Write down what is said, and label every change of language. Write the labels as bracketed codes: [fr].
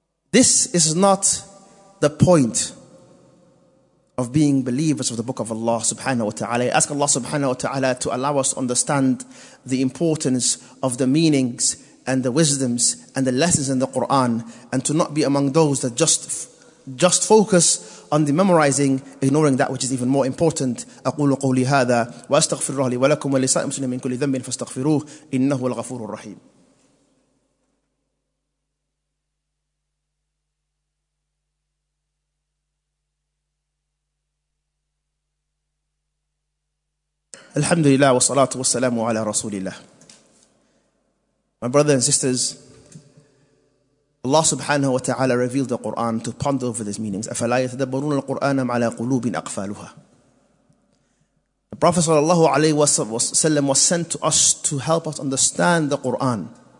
[en] This is not the point of being believers of the book of Allah subhanahu wa ta'ala. I ask Allah subhanahu wa ta'ala to allow us to understand the importance of the meanings and the wisdoms and the lessons in the Quran, and to not be among those that just focus on the memorizing, ignoring that which is even more important. [ar] أقول قولي هذا وأستغفر الله لي ولكم ولسائر المسلمين من كل ذنب فاستغفروه إنه الغفور الرحيم. الحمد لله والصلاة والسلام على رسول الله. [en] My brothers and sisters, Allah subhanahu wa ta'ala revealed the Qur'an to ponder over these meanings. [ar] أَفَلَا يَتَدَبَّرُونَ الْقُرْآنَ عَلَىٰ قُلُوبٍ أَقْفَالُهَا. [en] The Prophet sallallahu alayhi wa sallam was sent to us to help us understand the Qur'an.